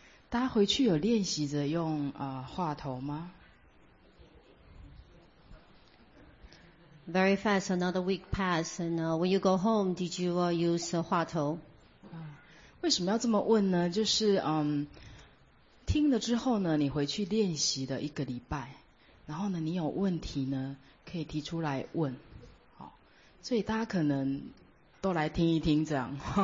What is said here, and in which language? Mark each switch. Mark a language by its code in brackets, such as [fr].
[zh] 大家回去有练习着用话头吗 [en] ？Very fast, another week passed, and when you go home, did you use 话头？ [zh] 为什么要这么问呢？就是听了之后呢，你回去练习的一个礼拜，然后呢，你有问题呢，可以提出来问。好，所以大家可能都来听一听这样。